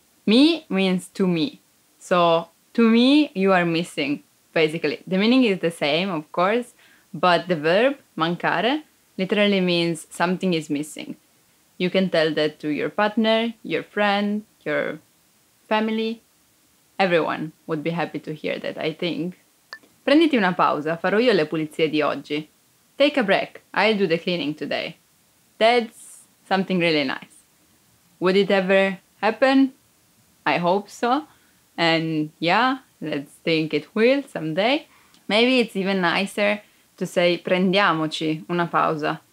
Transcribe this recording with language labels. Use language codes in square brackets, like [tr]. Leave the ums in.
[en] Me Mi means to me. So to me, you are missing, basically. The meaning is the same, of course, but the verb mancare literally means something is missing. You can tell that to your partner, your friend, your family. Everyone would be happy to hear that, I think. [it] Prenditi una pausa, farò io le pulizie di oggi. [en] Take a break, I'll do the cleaning today. That's something really nice. Would it ever happen? I hope so. And yeah, let's think it will someday. Maybe it's even nicer to say [it] prendiamoci una pausa.